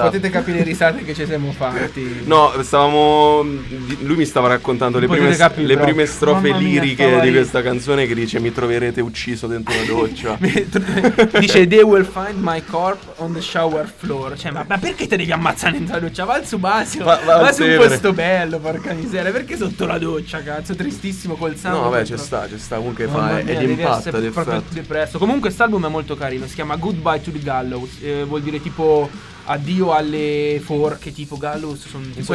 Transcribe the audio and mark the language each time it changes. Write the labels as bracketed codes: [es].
[it] potete capire le risate che ci siamo fatti. No, stavamo. Lui mi stava raccontando le prime strofe liriche di questa canzone, che dice: mi troverete ucciso dentro la doccia. Dice: [en] they will find my corpse on the shower floor. [it] Cioè, ma perché te devi ammazzare dentro la doccia? Va al subasio. Va su un posto bello, porca miseria. Perché sotto la doccia, cazzo? Tristissimo col sangue. No, beh, ci sta. Comunque fa. È l'impatto. È proprio depresso. Comunque, quest'album è molto carino. Si chiama Goodbye to the Gallows. Vuol dire tipo addio alle forche, tipo gallows sono tipo